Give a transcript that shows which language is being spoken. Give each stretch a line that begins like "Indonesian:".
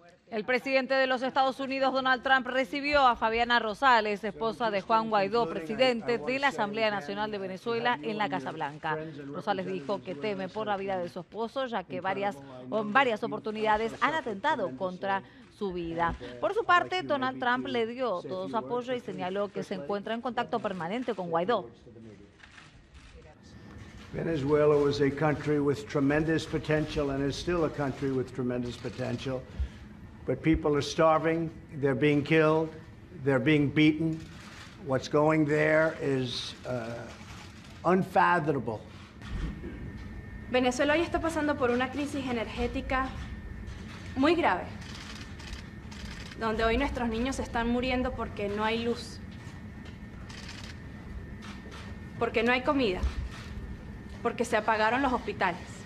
Spanish: El presidente de los Estados Unidos, Donald Trump, recibió a Fabiana Rosales, esposa de Juan Guaidó, presidente de la Asamblea Nacional de Venezuela, en la Casa Blanca. Rosales dijo que teme por la vida de su esposo, ya que en varias oportunidades han atentado contra su vida. Por su parte, Donald Trump le dio todo su apoyo y señaló que se encuentra en contacto permanente con Guaidó.
English: Venezuela was a country with tremendous potential and is still a country with tremendous potential. But people are starving, they're being killed, they're being beaten. What's going there is unfathomable.
Spanish: Venezuela hoy está pasando por una crisis energética muy grave, donde hoy nuestros niños están muriendo porque no hay luz, porque no hay comida, porque se apagaron los hospitales.